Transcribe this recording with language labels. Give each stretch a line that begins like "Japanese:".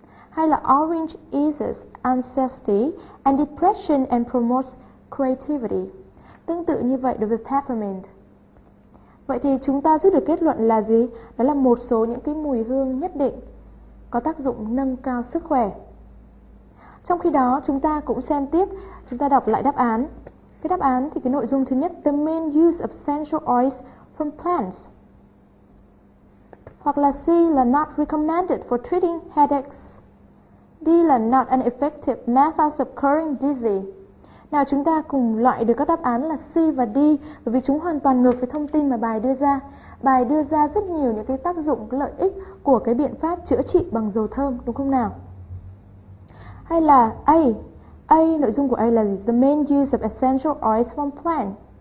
Vietnamese: Hay là
English: orange eases anxiety and depression and promotes creativity.
Vietnamese: Tương tự như vậy đối với peppermint. Vậy thì chúng ta rút được kết luận là gì? Đó là một số những cái mùi hương nhất định có tác dụng nâng cao sức khỏe. Trong khi đó chúng ta cũng xem tiếp, chúng ta đọc lại đáp án. Cái đáp án thì cái nội dung thứ nhất:
English: The main use of essential oils from plants.
Vietnamese: Hoặc là C là
English: not recommended for treating headaches.
Vietnamese: D là
English: not an effective method of curing disease.
Vietnamese: Nào chúng ta cùng loại được các đáp án là C và D, bởi vì chúng hoàn toàn ngược với thông tin mà bài đưa ra. Bài đưa ra rất nhiều những cái tác dụng, cái lợi ích của cái biện pháp chữa trị bằng dầu thơm, đúng không nào? Hay là A. A, nội dung của A là
English: the main use of essential oils from plant.